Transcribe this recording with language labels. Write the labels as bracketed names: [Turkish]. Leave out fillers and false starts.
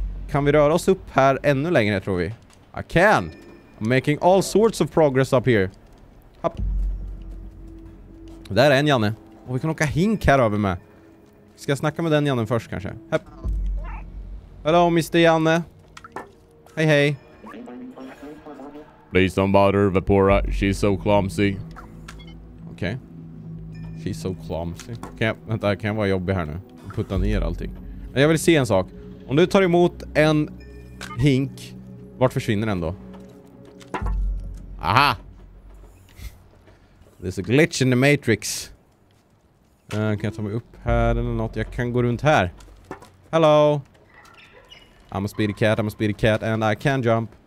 [Swedish] Kan vi röra oss upp här ännu längre, tror vi? [English] I can. I'm making all sorts of progress up here. [Swedish] Hopp. Där är en Janne. Och vi kan åka hink här över med. Ska jag snacka med den Janne först, kanske? Hopp. [English] Hello, Mr. Janne. [Swedish] Hej, hej. [English] Please don't bother Vapora. She's so clumsy. [Swedish] Okej. [English] Okay. She's so clumsy. [Swedish] Kan jag, vänta, kan jag vara jobbig här nu? Putta ner allting. Men jag vill se en sak. Om du tar emot en hink. Vart försvinner den då? Aha! [English] There's a glitch in the matrix. [Swedish] Kan jag ta mig upp här eller något? Jag kan gå runt här. [English] Hello! I'm a speedy cat, I'm a speedy cat and I can jump.